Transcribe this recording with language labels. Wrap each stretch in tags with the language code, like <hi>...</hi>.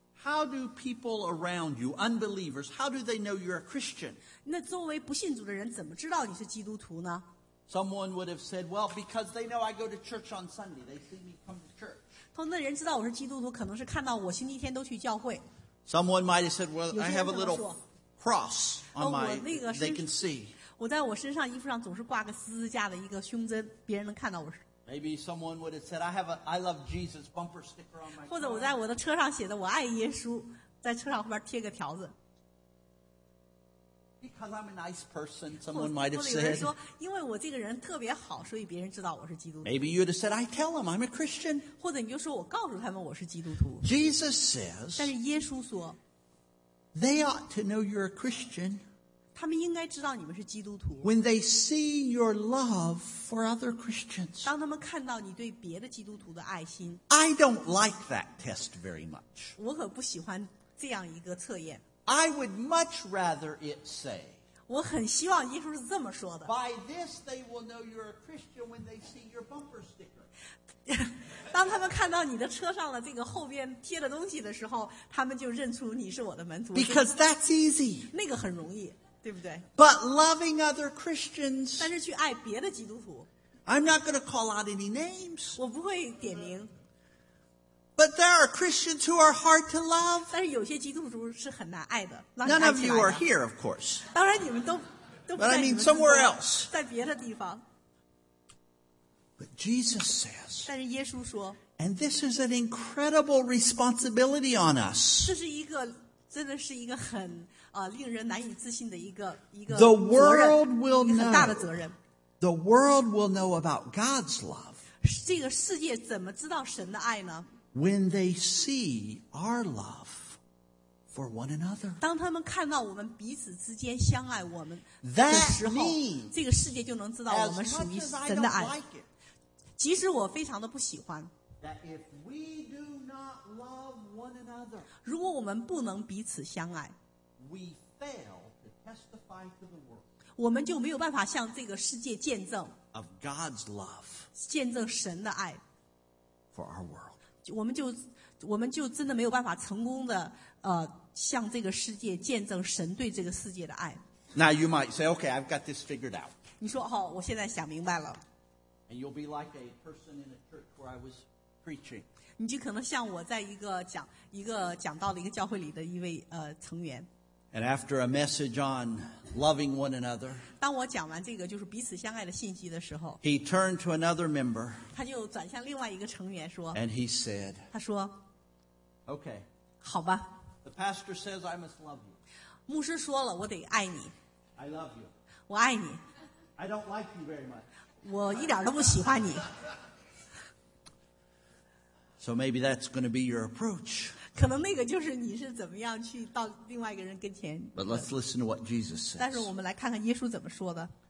<en>，How do people around you, unbelievers, how do they know you're a Christian?</en> <zh>那周围不信主的人怎么知道你是基督徒呢</zh> <en>？Someone would have said, "Well, because they know I go to church on Sunday. They see me come to church."</en> <zh>同那人知道我是基督徒，可能是看到我星期天都去教会。</zh> <en>Someone might have said, "Well, I have a little." cross on my they can see.</en> <zh>我在我身上衣服上总是挂个十字架的一个胸针，别人能看到我是。</zh> <en>Maybe someone would have said, "I love Jesus" bumper sticker on my car.</en> <zh>或者我在我的车上写的“我爱耶稣”，在车上后边贴个条子。</zh> <en>Because I'm a nice person, someone might have said.</en> <zh>或者有人说，因为我这个人特别好，所以别人知道我是基督徒。</zh> <en>Maybe you'd have said, "I tell them I'm a Christian."</en> <zh>或者你就说我告诉他们我是基督徒。</zh> <en>Jesus says.</en> <zh>但是耶稣说</zh> <en>，They ought to know you're a Christian.</en> <zh>他们应该知道你们是基督徒。</zh> <en>When they see your love for other Christians.</en> <zh>当他们看到你对别的基督徒的爱心。</zh> <en>I don't like that test very much.</en> <zh>我可不喜欢这样一个测验。</zh> <en>I would much rather it say.</en> <zh>我很希望耶稣是这么说的。</zh> <en>By this they will know you're a Christian when they see your bumper sticker.</en> <zh>当他们看到你的车上的这个后边贴的东西的时候，他们就认出你是我的门徒。</zh> <en>Because that's easy.</en> <zh>那个很容易，对不对？</zh> <en>But loving other Christians.</en> <zh>但是去爱别的基督徒。</zh> <en>I'm not going to call out any names.</en> <zh>我不会点名。</zh> <en>But there are Christians who are hard to love.</en> <zh>但是有些基督徒是很难爱的。</zh> <en>None of you are here, of course.</en> <zh>当然你们都不在你们。</zh> <en>But I mean somewhere else.</en> <zh>在别的地方。</zh> <en>But Jesus says.</en> <zh>但是耶稣说。</zh> <en>And this is an incredible responsibility on us.</en> <zh>这是一个真的是一个很令人难以置信的一个。</zh> <en>The world will know.</en> <zh>一个很大的责任。</zh> <en>The world will know about God's love.</en> <zh>这个世界怎么知道神的爱呢？</zh> <en>When they see our love for one another,</en> <zh>当他们看到我们彼此之间相爱我们的时候</zh> <en>means,</en> <zh>这个世界就能知道我们属于神的爱。即使我非常的不喜欢</zh> <en>that if we do not love one another,</en> <zh>如果我们不能彼此相爱</zh> <en>we fail to testify to the world,</en> <zh>我们就没有办法向这个世界见证</zh> <en>of God's love,</en> <zh>见证神的爱</zh> <en>for our world.</en> <zh>我们就真的没有办法成功的向这个世界见证神对这个世界的爱。</zh> <en>Now you might say, "Okay, I've got this figured out."</en> <zh>你说哦，我现在想明白了。</zh> <en>And you'll be like a person in a church where I was preaching.</en> <zh>你就可能像我在一个讲道的一个教会里的一位成员。</zh> <en>And after a message on loving one another,</en> <zh>当我讲完这个就是彼此相爱的信息的时候</zh> <en>he turned to another member,</en> <zh>他就转向另外一个成员说</zh> <en>and he said,</en> <zh>他说</zh> <en>okay,</en> <zh>好吧</zh> <en>the pastor says I must love you,</en> <zh>牧师说了我得爱你</zh> <en>I love you,</en> <zh>我爱你</zh> <en>I don't like you very much,</en> <zh>我一点都不喜欢你</zh> <en>so maybe that's going to be your approach.</en> <zh>可能那个就是你是怎么样去到另外一个人跟前。</zh> <en>But let's listen to what Jesus says.</en> <zh>但是我们来看看耶稣怎么说的。</zh>